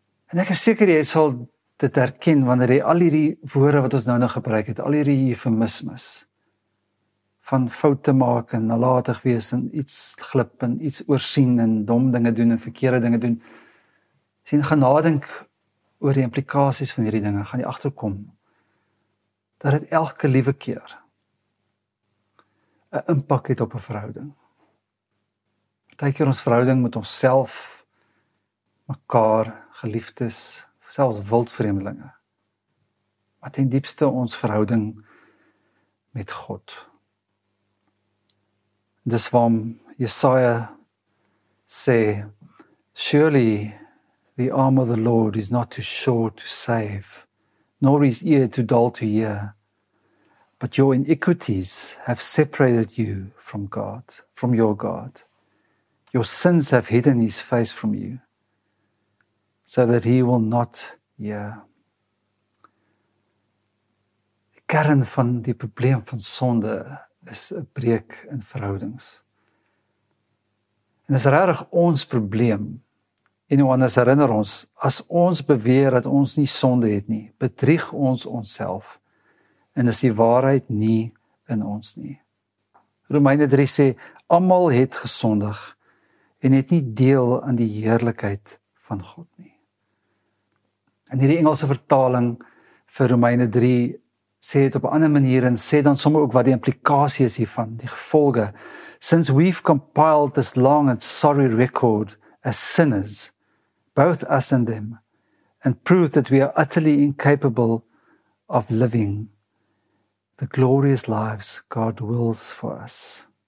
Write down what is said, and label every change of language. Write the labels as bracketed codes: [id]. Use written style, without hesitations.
[af] En ek is seker jy sal dit herken wanneer jy al hierdie woorde wat ons nou gebruik het, al hierdie eufemismes van fout te maak en nalatig wees en iets glip en iets oorsien en dom dinge doen en verkeerde dinge doen, sien gaan nadink oor die implikasies van hierdie dinge, gaan jy agterkom dat dit elke liewe keer 'n impak het op 'n verhouding. Partykeer ons verhouding met onsself, mekaar, geliefdes, selfs wildvreemdelinge. Maar ten diepste ons verhouding met God. Dis waarom Jesaja sê, [en] "Surely the arm of the Lord is not too short to save, nor his ear too dull to hear. But your iniquities have separated you from God, from your God. Your sins have hidden his face from you, so that he will not hear." [af] Die kern van die probleem van sonde is 'n breuk in verhoudings. En dis regtig ons probleem. En Johannes herinner ons, as ons beweer dat ons nie sonde het nie, bedrieg ons onsself en is die waarheid nie in ons nie. Romeine 3 sê, almal het gesondig en het nie deel aan die heerlikheid van God nie. En hierdie Engelse vertaling vir Romeine 3 sê het op 'n ander manier en sê dan sommer ook wat die implikasie is hiervan, die gevolge. [en] Since we've compiled this long and sorry record as sinners, both us and them, and proved that we are utterly incapable of living the glorious lives God wills for us.